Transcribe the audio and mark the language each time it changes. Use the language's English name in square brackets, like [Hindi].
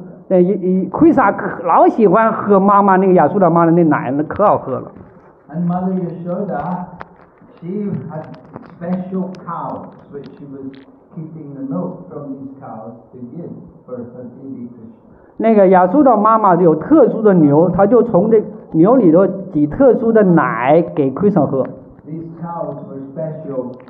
[Chinese] Krishna 老喜欢喝妈妈那个亚苏达妈的那奶，那可好喝了。 [English] And Mother Yashoda, she had special cows which she was keeping the milk from these cows to give for her baby Krishna. [Chinese] 那个亚苏达妈妈有特殊的牛，她就从这牛里头挤特殊的奶给 Krishna 喝。 [English] These cows were special.